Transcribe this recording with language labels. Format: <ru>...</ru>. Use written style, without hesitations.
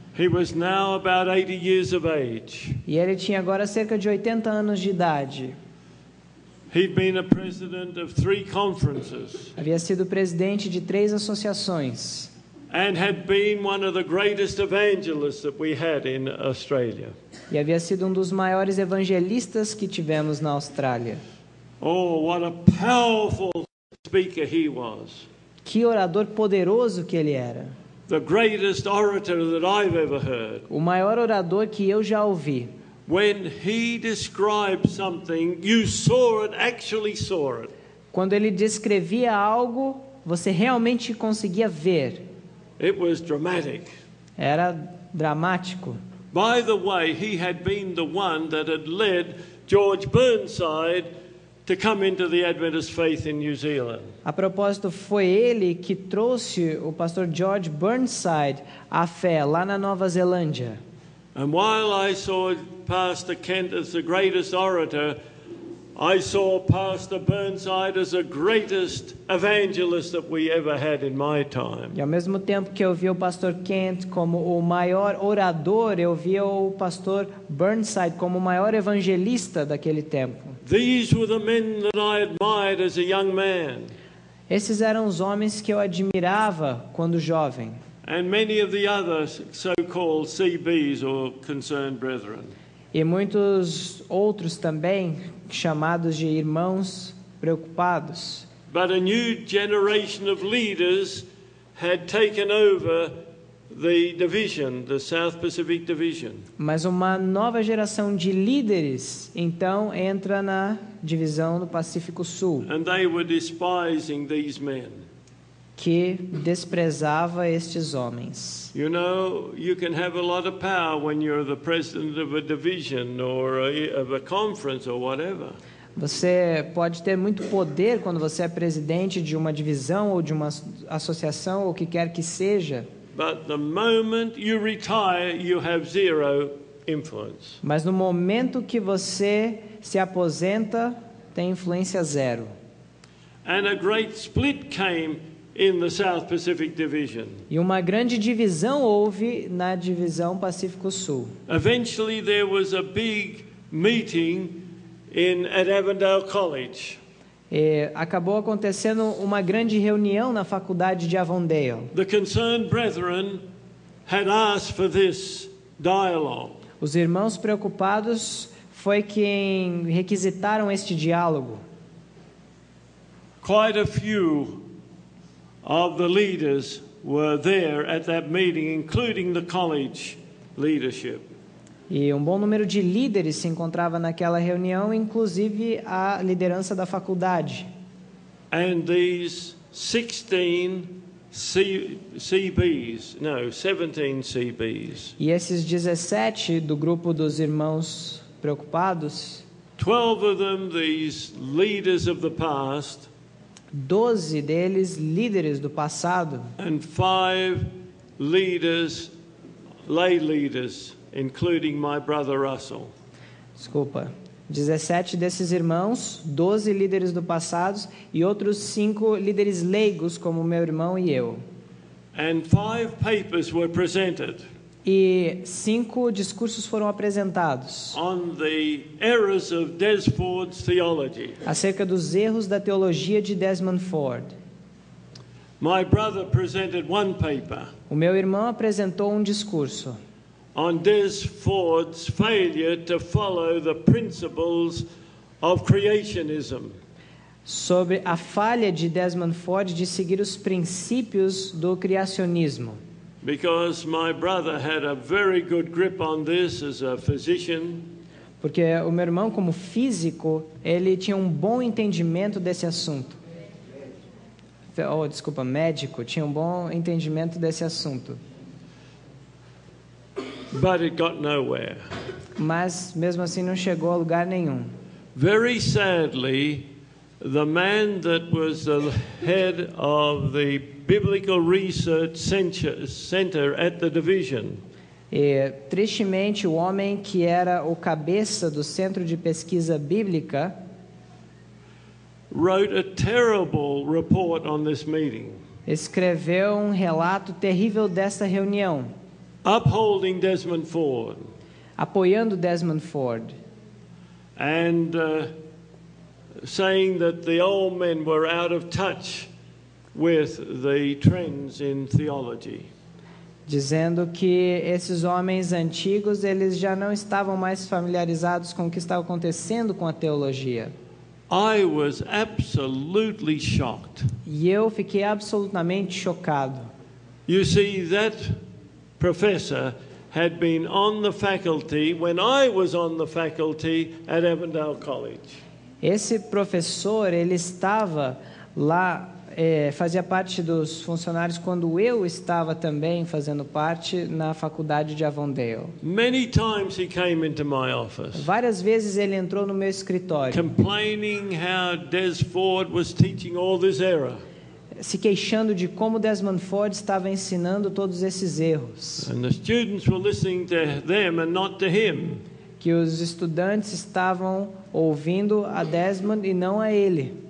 <en>He was now about 80 years of age.</en> <pt>E ele tinha agora cerca de 80 anos de idade.</pt> <en>He'd been a president of three conferences.</en> <pt>Havia sido presidente de três associações.</pt> <en>And had been one of the greatest evangelists that we had in Australia.</en> <pt>E havia sido um dos maiores evangelistas que tivemos na Austrália.</pt> <en>Oh, what a powerful speaker he was.</en> <pt>Que orador poderoso que ele era.</pt> <en>The greatest orator that I've ever heard.</en> <pt>O maior orador que eu já ouvi.</pt> <en>When he described something, you saw it, actually saw it.</en> <pt>Quando ele descrevia algo, você realmente conseguia ver.</pt> <en>It was dramatic.</en> <pt>Era dramático.</pt> <en>By the way, he had been the one that had led George Burnside to come into the Adventist faith in New Zealand.</en> <pt>A propósito, foi ele que trouxe o pastor George Burnside à fé lá na Nova Zelândia.</pt> <en>And while I saw Pastor Kent as the greatest orator, I saw Pastor Burnside as the greatest evangelist that we ever had in my time.</en> <pt>E ao mesmo tempo que eu vi o pastor Kent como o maior orador, eu vi o pastor Burnside como o maior evangelista daquele tempo.</pt> <en>These were the men that I admired as a young man.</en> <pt>Esses eram os homens que eu admirava quando jovem.</pt> <en>And many of the other so-called CBs or concerned brethren.</en> <pt>E muitos outros também chamados de irmãos preocupados.</pt> <en>But a new generation of leaders had taken over the division, the South Pacific division.</en> <pt>Mas uma nova geração de líderes então entra na divisão do Pacífico Sul.</pt> <en>And they were despising these men.</en> <pt>Que desprezava estes homens.</pt> <en>You know, you can have a lot of power when you're the president of a division or of a conference or whatever.</en> <pt>Você pode ter muito poder quando você é presidente de uma divisão ou de uma associação ou o que quer que seja.</pt> <en>But the moment you retire, you have zero influence.</en> <pt>Mas no momento que você se aposenta, tem influência zero.</pt> <en>And a great split came in the South Pacific Division.</en> <pt>E uma grande divisão houve na divisão Pacífico Sul.</pt> <en>Eventually there was a big meeting in at Avondale College.</en> <pt>E acabou acontecendo uma grande reunião na faculdade de Avondale.</pt> <en>The concerned brethren had asked for this dialogue.</en> <pt>Os irmãos preocupados foi quem requisitaram este diálogo.</pt> <en>Quite a few of the leaders were there at that meeting, including the college leadership.</en> <pt>E um bom número de líderes se encontrava naquela reunião, inclusive a liderança da faculdade.</pt> <en>And these 16 CBs, no, 17 CBs.</en> <pt>E esses 17 do grupo dos irmãos preocupados.</pt> <en>12 of them, these leaders of the past.</en> <pt>12 deles líderes do passado.</pt> <en>And 5 leaders, lay leaders. Including my brother Russell.</en> <pt>Desculpa. 17 desses irmãos, 12 líderes do passado e outros 5 líderes leigos como meu irmão e eu.</pt> <en>And 5 papers were presented.</en> <pt>E 5 discursos foram apresentados.</pt> <en>On the errors of Desford's theology.</en> <pt>Acerca dos erros da teologia de Desmond Ford.</pt> <en>My brother presented one paper.</en> <pt>O meu irmão apresentou um discurso.</pt> <en>On Des Ford's failure to follow the principles of creationism.</en> <pt>Sobre a falha de Desmond Ford de seguir os princípios do criacionismo.</pt> <en>Because my brother had a very good grip on this as a physician.</en> <pt>Porque o meu irmão, como físico, ele tinha um bom entendimento desse assunto. médico tinha um bom entendimento desse assunto.</pt> <en>But it got nowhere.</en> <pt>Mas mesmo assim não chegou a lugar nenhum.</pt> <en>Very sadly, the man that was the head of the Biblical Research Center at the division.</en> <pt>E, tristemente, o homem que era o cabeça do Centro de Pesquisa Bíblica</pt> <en>wrote a terrible report on this meeting.</en> <pt>Escreveu um relato terrível desta reunião.</pt> <en>Upholding Desmond Ford.</en> <pt>Apoiando Desmond Ford.</pt> <en>And saying that the old men were out of touch with the trends in theology.</en> <pt>Dizendo que esses homens antigos, eles já não estavam mais familiarizados com o que estava acontecendo com a teologia.</pt> <en>I was absolutely shocked.</en> <pt>E eu fiquei absolutamente chocado.</pt> <en>You see, that professor had been on the faculty when I was on the faculty at Avondale College.</en> <pt>Esse professor, ele estava lá, fazia parte dos funcionários quando eu estava também fazendo parte na faculdade de Avondale.</pt> <en>Many times he came into my office.</en> <pt>Várias vezes ele entrou no meu escritório.</pt> <en>Complaining how Des Ford was teaching all this error.</en> <pt>Se queixando de como Desmond Ford estava ensinando todos esses erros.</pt> <en>And the students were listening to them and not to him.</en> <pt>Que os estudantes estavam ouvindo a Desmond e não a ele.</pt>